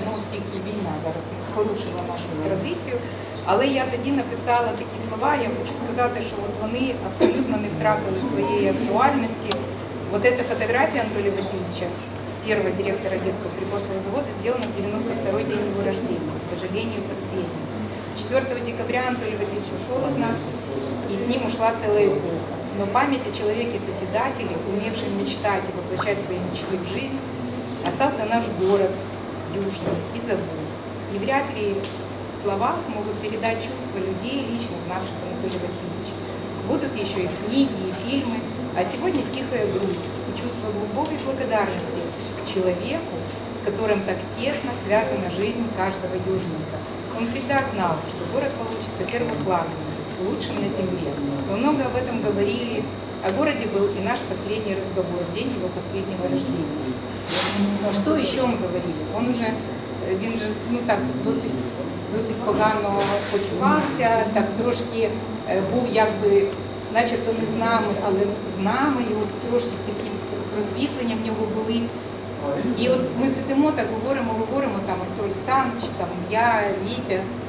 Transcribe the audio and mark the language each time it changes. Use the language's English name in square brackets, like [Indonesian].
[Ukrainian] Ну, тільки війна зараз порушила нашу традицію. Але я тоді написала такі слова, я хочу сказати, що от вони абсолютно не втратили своєї актуальності. От ця фотографія Анатолія Васильовича, першого директора Одеського припасного заводу, зроблена в 92-й день його рождення, [Russian] к сожалению, последний. 4 декабря [Ukrainian] Анатолій Васильович [Russian] ушел от нас, [Ukrainian] і з ним [Russian] ушла [Ukrainian] ціла епоха. [Russian] Но память о человеке-созидателе, умевшем мечтать и воплощать свои мечты в жизнь, остался наш город южный и забыт. И вряд ли слова смогут передать чувства людей, лично знавших Анатолия Васильевича. Будут еще и книги, и фильмы, а сегодня тихая грусть и чувство глубокой благодарности к человеку, с которым так тесно связана жизнь каждого южница. Он всегда знал, что город получится первоклассным, лучшим на земле. Мы много об этом говорили. О городе был и наш последний разговор в день его последнего рождения. Но что еще мы говорили? Он уже, [Ukrainian] він же, ну так, досить погано почувався, так трошки був якби, начебто не з нами, але з нами, і от трошки такі просвітлення в нього були. І от ми сидимо так, говоримо там про Олександрович, там я, Вітя.